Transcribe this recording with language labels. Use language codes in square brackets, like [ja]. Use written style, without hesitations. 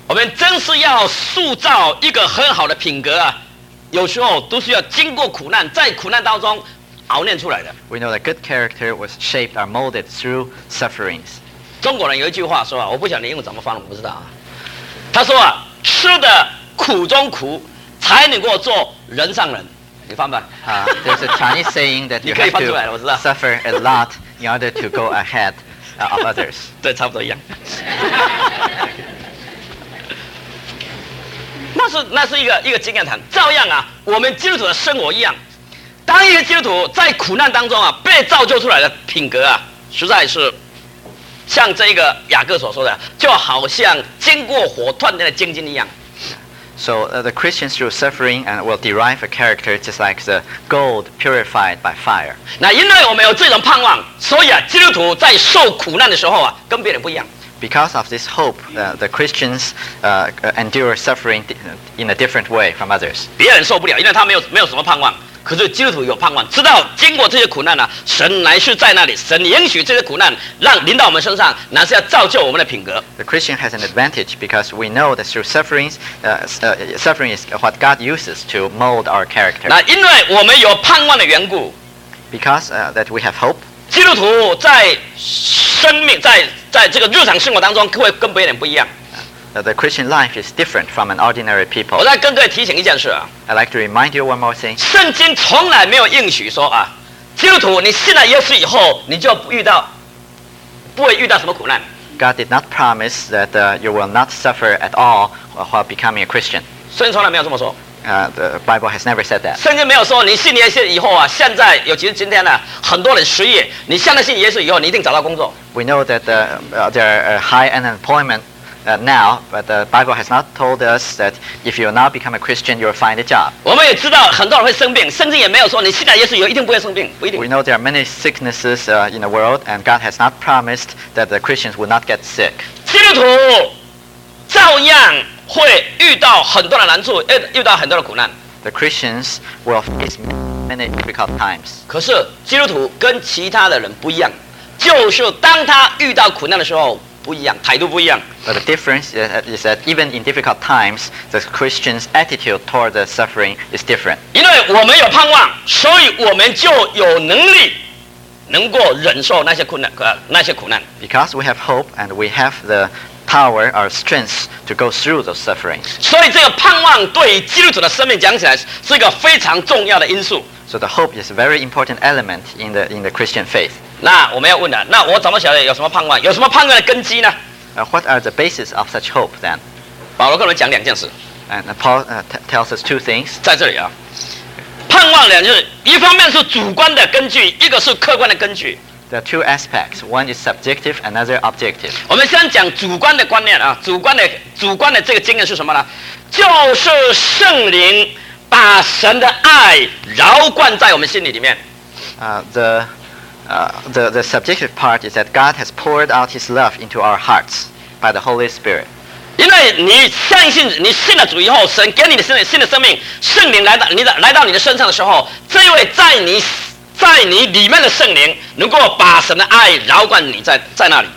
[zh] 我们真是要塑造一个很好的品格啊，有时候都是要经过苦难，在苦难当中熬炼出来的。 [en] We know that good character was shaped or molded through sufferings. [zh] 中国人有一句话说啊，我不晓得英文怎么翻的，我不知道啊。他说啊，吃的苦中苦，才能够做人上人。你翻吧。 [en] There's a Chinese saying that you have to suffer a lot in order to go ahead of others. [zh] 对，差不多一样。那是一个经验谈。照样啊，我们基督徒的生活一样，当一个基督徒在苦难当中啊，被造就出来的品格啊，实在是。像这个雅各所说的，就好像经过火锻炼的精金一样。 [en] So the Christians through suffering and will derive a character just like the gold purified by fire. [zh] 那因为我们有这种盼望，所以啊，基督徒在受苦难的时候啊，跟别人不一样。 [en] Because of this hope, the Christians endure suffering in a different way from others. [zh] 别人受不了，因为他没有什么盼望。可是基督徒有盼望，知道经过这些苦难呢、啊，神乃是在那里，神允许这些苦难让临到我们身上，乃是要造就我们的品格。 [en] The Christian has an advantage because we know that through sufferings, suffering is what God uses to mold our character. [zh] 那因为我们有盼望的缘故 [en] ，because that we have hope. [zh] 基督徒在生命在这个日常生活当中会跟别人不一样。 [en] The Christian life is different from an ordinary people. [zh] 我再跟各位提醒一件事啊。 [en] I'd like to remind you one more thing. [zh] 圣经从来没有应许说啊，基督徒你信了耶稣以后，你就不会遇到什么苦难。 [en] God did not promise that you will not suffer at all while becoming a Christian. [zh] 圣经从来没有这么说。 [en] The Bible has never said that. [zh] 圣经没有说你信耶稣以后啊，现在尤其是今天呢、啊，很多人失业，你现在信耶稣以后，你一定找到工作。 [en] We know that there are high unemployment. Now, but the Bible has not told us that if you now become a Christian, you will find a job. [zh] 我们也知道很多人会生病，圣经也没有说你信了耶稣一定不会生病，不一定。 [en] We know there are many sicknesses in the world, and God has not promised that the Christians will not get sick. [zh] 基督徒照样会遇到很多的难处，遇到很多的苦难。 [en] The Christians will face many difficult times. [zh] 可是基督徒跟其他的人不一样，就是当他遇到苦难的时候。不一样，态度不一样。 [en] But the difference is that even in difficult times, the Christian's attitude toward the suffering is different. [zh] 因为我们有盼望，所以我们就有能力能够忍受那些苦难。 [en] Because we have hope and we have the power or strength to go through those sufferings. [zh] 所以这个盼望对于基督徒的生命讲起来是一个非常重要的因素。 [en] So the hope is a very important element in the Christian faith. [zh] 那我们要问了，那我怎么晓得有什么盼望？有什么盼望的根基呢？ [en] What are the basis of such hope then? [zh] 保罗跟我们讲两件事。 [en] And Paul tells us two things. [zh] 在这里啊，盼望呢，就是一方面是主观的根据，一个是客观的根据。 [en] There are two aspects. One is subjective, another objective. [zh] 我们先讲主观的观念啊，主观的这个经验是什么呢？就是圣灵。把神的爱浇灌在我们心里面。 [en] The subjective part is that God has poured out His love into our hearts by the Holy Spirit. [zh] 因为你相信你信了主以后，神给你的新的生命，圣灵来到你的身上的时候，这位在你里面的圣灵能够把神的爱浇灌你在那里。